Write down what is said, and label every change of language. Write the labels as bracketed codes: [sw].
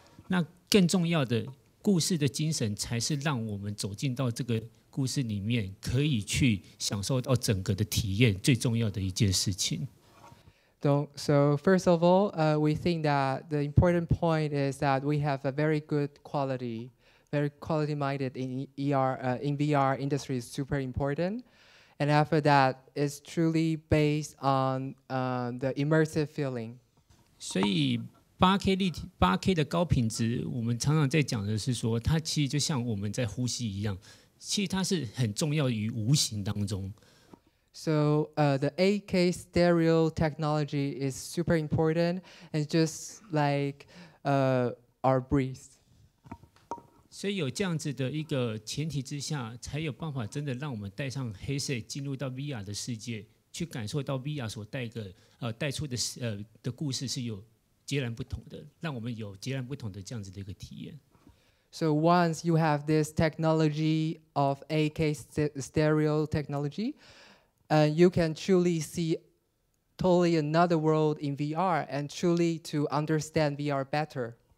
[zh] 那更重要的故事的精神，才是让我们走进到这个故事里面可以去享受到整个的体验最重要的一件事情。 [en] So first of all, we think that the important point is that we have a very good quality, very quality minded in ER, in VR industry is super important. And after that, it's truly based on the immersive feeling. [zh] 所以8K 的高品质，我们常常在讲的是说，它其实就像我们在呼吸一样，其实它是很重要于无形当中。 [en] So, the 8K stereo technology is super important, and just like our breath. [zh] 所以有这样子的一个前提之下，才有办法真的让我们戴上黑色进入到 VR 的世界，去感受到 VR 所带出的故事是有截然不同的，让我们有截然不同的这样子的一个体验。 [en] So once you have this technology of 8K stereo technology, you can truly see totally another world in VR and truly to understand VR better.